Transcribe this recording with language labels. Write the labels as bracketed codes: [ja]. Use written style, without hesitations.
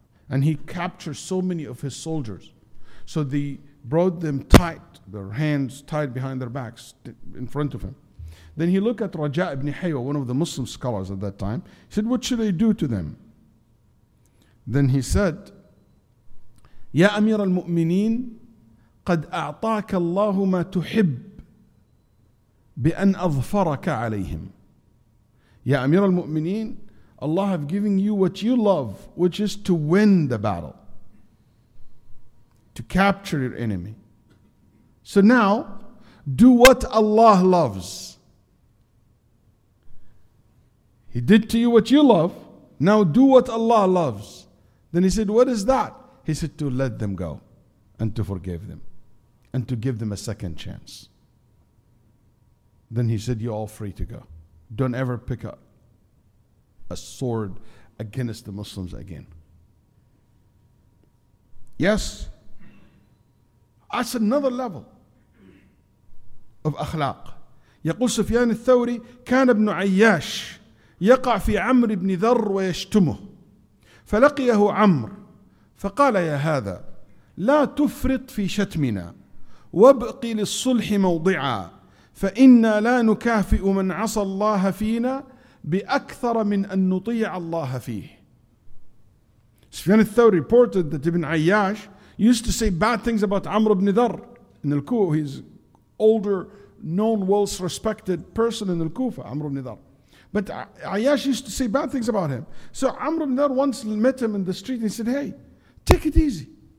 [en] And he captured so many of his soldiers. So they brought them tight, their hands tied behind their backs in front of him. Then he looked at Raja ibn Haywa, one of the Muslim scholars at that time. He said, what should I do to them? Then he said, Ya Amir al-Mu'mineen, [ar] قد أعطاك الله ما تحب بأن أظفرك عليهم. يا أمير المؤمنين, [en] Allah have given you what you love, which is to win the battle, to capture your enemy. So now, do what Allah loves. He did to you what you love, now do what Allah loves. Then he said, what is that? He said, to let them go and to forgive them and to give them a second chance. Then he said, you're all free to go. Don't ever pick up a sword against the Muslims again. Yes, that's another level of akhlaq. [ar] يقول سفيان الثوري كان ابن عياش يقع في عمرو بن ذر ويشتمه فلقيه عمرو فقال يا هذا لا تفرط في شتمنا وابقي للصلح موضعا فإنا لا نكافئ من عصى الله فينا بأكثر من أن نطيع الله فيه. [en] سفيان الثوري reported that Ibn Ayyash used to say bad things about Amr ibn Dhar in Al-Kufa. He's older, known, well respected person in Al-Kufa, Amr ibn Dhar. But Ayyash used to say bad things about him. So Amr ibn Dhar once met him in the street and he said, hey, take it easy.